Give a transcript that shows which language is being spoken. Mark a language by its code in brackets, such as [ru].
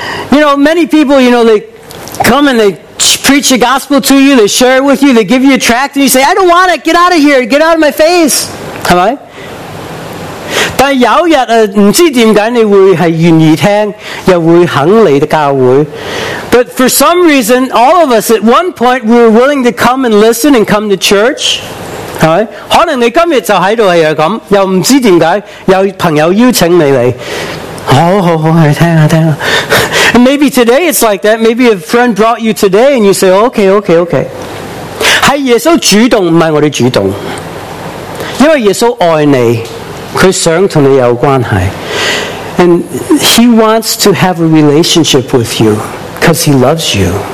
[en] You know, many people, you know, they come and they preach the gospel to you, they share it with you, they give you a tract, and you say, I don't want it, get out of here, get out of my face. [zh] 是吧? 但有一天,不知为什么你会愿意听,又会肯来教会。 [en] But for some reason, all of us at one point, we were willing to come and listen and come to church. [zh] 可能你今天就在这里,又不知为什么,有朋友邀请你来。好,听啊,听啊。 [en] And maybe today it's like that. Maybe a friend brought you today and you say, okay. [zh] 是耶稣主动,不是我们主动。因为耶稣爱你。他想跟你有关系, [en] and he wants to have a relationship with you because he loves you.